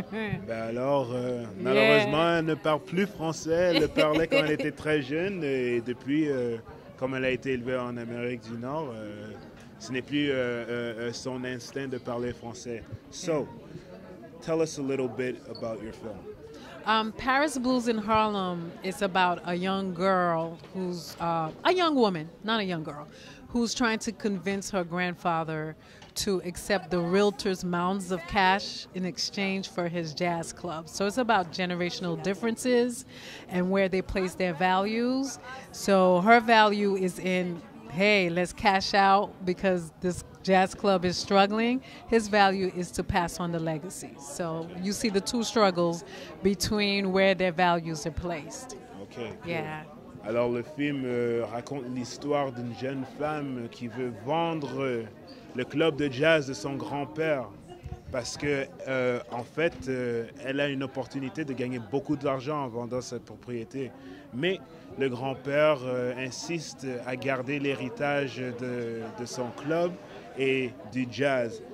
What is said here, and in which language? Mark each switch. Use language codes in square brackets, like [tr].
[fr] Ben alors, malheureusement, elle ne parle plus français. Elle parlait quand elle était très jeune et depuis, comme elle a été élevée en Amérique du Nord, ce n'est plus son instinct de parler français. [en] So, tell us a little bit about your film. Paris Blues in Harlem is about a young girl who's a young woman, not a young girl, who's trying to convince her grandfather to accept the realtor's mounds of cash in exchange for his jazz club. So it's about generational differences and where they place their values. So her value is in, hey, let's cash out because this jazz club is struggling. His value is to pass on the legacy. So you see the two struggles between where their values are placed. Okay. Cool. Yeah. [fr] Alors le film raconte l'histoire d'une jeune femme qui veut vendre le club de jazz de son grand-père parce que en fait elle a une opportunité de gagner beaucoup d'argent en vendant sa propriété, mais le grand-père insiste à garder l'héritage de son club et du jazz.